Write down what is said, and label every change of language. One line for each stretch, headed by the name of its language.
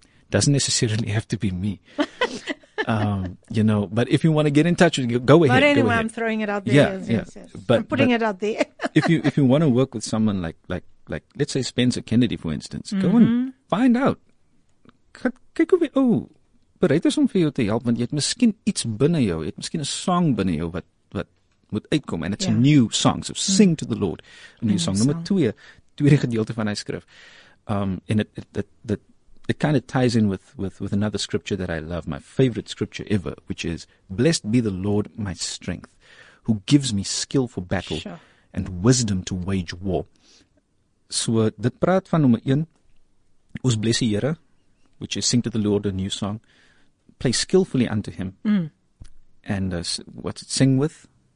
English: Doesn't necessarily have to be me. you know, but if you want to get in touch, go ahead. But anyway, I'm throwing it out there. I'm putting it out there. if you want to work with someone like let's say Spencer Kennedy, for instance, go and find out.
Afrikaans: Kijk hoe bereid is om vir jou te help, want jy het miskien iets binne jou, jy het miskien 'n song binne jou wat moet uitkom,
English: and it's a new song, so sing to the Lord. A new song.
Afrikaans: Nummer 2, tweede gedeelte van hy skrif.
English: And it kind of ties in with another scripture that I love, my favorite scripture ever, which is, blessed be the Lord, my strength, who gives me skill for battle and wisdom to wage war. So,
Afrikaans: dit praat van nummer 1, ons bless die Here,
English: which is sing to the Lord a new song, play skillfully unto him, and what's it, sing with?